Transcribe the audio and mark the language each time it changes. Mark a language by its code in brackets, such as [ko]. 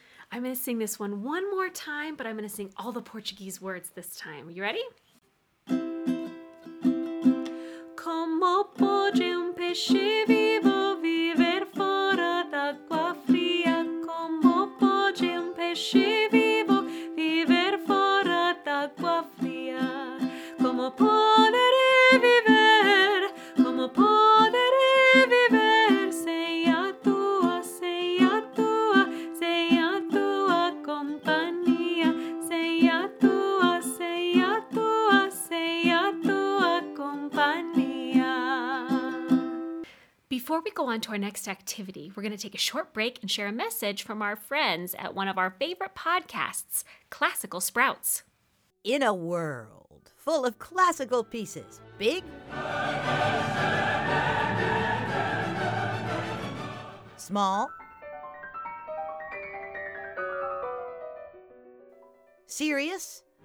[en] I'm going to sing this one more time, but I'm going to sing all the Portuguese words this time. You ready? [pt] Como pode peixe vivo viver fora da água fria? Como pode peixe vivo viver fora da água fria? Como pode viver? Como pode viver sem a tua, sem a tua, sem a tua companhia, sem a tua, sem a tua, sem a tua companhia? [en] Before we go on to our next activity, we're going to take a short break and share a message from our friends at one of our favorite podcasts, Classical Sprouts. In a world full of classical pieces, big, small, serious,